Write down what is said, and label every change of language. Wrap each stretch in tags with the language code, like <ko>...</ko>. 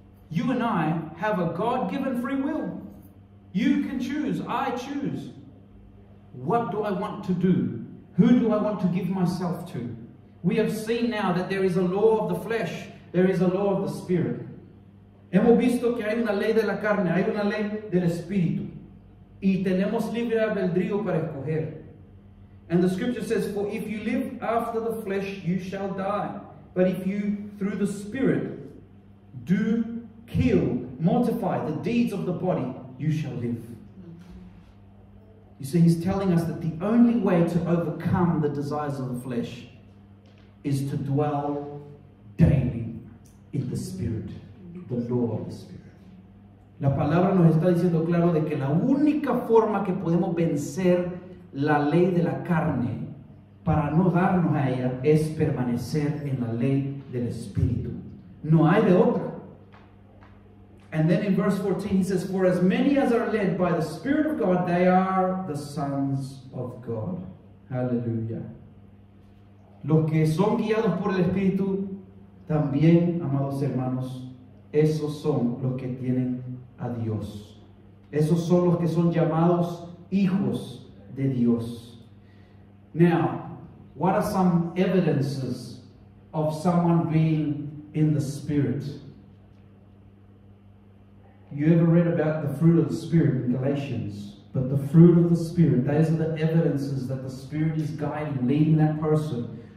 <en>You and I have a God-given free will. You can choose. I choose. What do I want to do? Who do I want to give myself to? We have seen now that there is a law of the flesh. There is a law of the spirit.</en> <es>Hemos visto que hay una ley de la carne, hay una ley del espíritu. Y tenemos libre albedrío para escoger.</es> <en>And the scripture says, for if you live after the flesh, you shall die. But if you, through the spirit, do kill, mortify the deeds of the body, you shall live. You see, he's telling us that the only way to overcome the desires of the flesh is to dwell daily in the spirit, the law of the spirit.</en> <es>La palabra nos está diciendo claro de que la única forma que podemos vencer la ley de la carne para no darnos a ella es permanecer en la ley del espíritu. No hay de otra.</es> <en>And then in verse 14 he says, for as many as are led by the Spirit of God, they are the sons of God. Hallelujah.</en> <es>Los que son guiados por el Espíritu, también, amados hermanos, esos son los que tienen a Dios. Esos son los que son llamados hijos de Dios.</es> <en>Now, what are some evidences of someone being in the Spirit? You ever read about the fruit of the Spirit in Galatians? But the fruit of the Spirit, those are the evidences that the Spirit is guiding, leading that person.</en>